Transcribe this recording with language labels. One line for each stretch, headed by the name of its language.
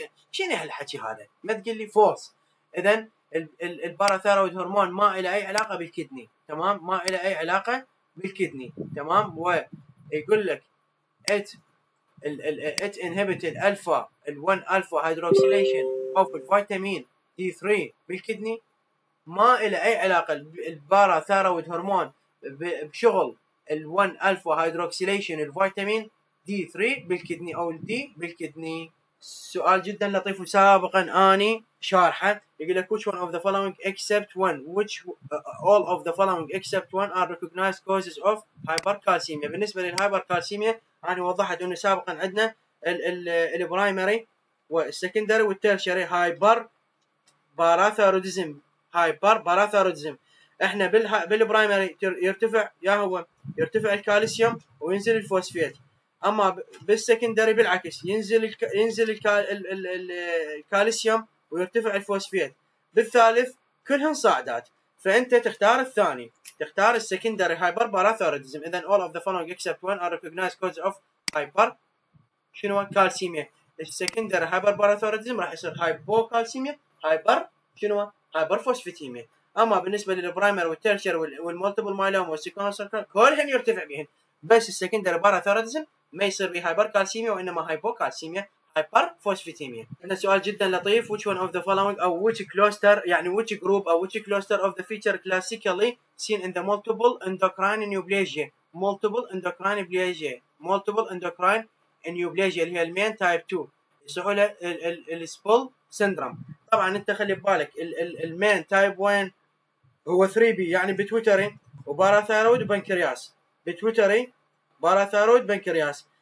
Arabic: شنو هالحكي هذا ما تقول لي فولس اذا الباراثيرويد هرمون ما الى اي علاقه بالكدني تمام ما الى اي علاقه بالكدني تمام ويقول لك ات
English: it inhibited alpha
Arabic: ال1 alpha hydroxylation of vitamin D3 بالكدني ما له اي علاقه الباراثيرويد هرمون بشغل ال1 alpha hydroxylation الفيتامين D3 دي 3 بالكدني او الدي بالكدني. سؤال جدا لطيف وسابقا اني شارحه، يقول لك
English: which one of the following except one which all of the following except one are recognized causes of hypercalcemia.
Arabic: بالنسبه للهايبركالسيميا انا وضحت انه سابقا عندنا البرايمري والسكندري والتيرشري هايبر باراثيرويدزم، هايبر باراثيرويدزم. احنا بالبرايمري يرتفع، يا هو يرتفع الكالسيوم وينزل الفوسفيت، اما بالسكندري بالعكس، ينزل الكالسيوم ويرتفع الفوسفيت. بالثالث كلهم صاعدات، فانت تختار الثاني، تختار السكندري هايبر باراثيرويدزم.
English: اذا all of the following except one are recognized cause of hyper شنو calcaemia.
Arabic: السكندري هايبر باراثيرويدزم راح يصير هايبوكالسيميا، هايبر شنو هايبر فوسفيتيميا. اما بالنسبه للبرايمر والتيرشر والمولتيبل مايلوم والسيكونسر كلهم يرتفع بهن، بس السكندري باراثيرويدزم ما يصير به هايبر كالسيميا وانما هايبوكالسيميا هايبر فوسفيتيميا. عندنا سؤال جدا لطيف،
English: which one of the following او which cluster يعني which group او which cluster of the feature classically seen in the multiple endocrine neoplasia.
Arabic: multiple endocrine neoplasia، multiple endocrine neoplasia اللي هي المين تايب 2 يصيحوا له السبول سندروم. طبعا انت خلي ببالك المين تايب 1 هو 3B يعني بتويتري وباراثيرويد وبنكرياس، بتويتري باراثيرويد بنكرياس.